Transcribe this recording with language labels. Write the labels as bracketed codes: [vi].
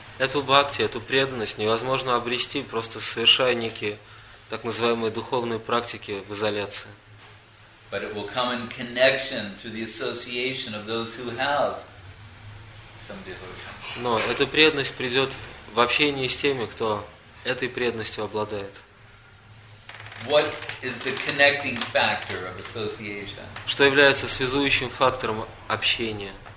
[ru] Эту бхакти, эту преданность невозможно обрести, просто совершая некие так называемые духовные практики в изоляции. [en] But it will come in connection through the association of those who have some devotion. [ru] Но эта преданность придет в общении с теми, кто этой преданностью обладает. [en] What is the connecting factor of association? [ru] Что является связующим фактором общения?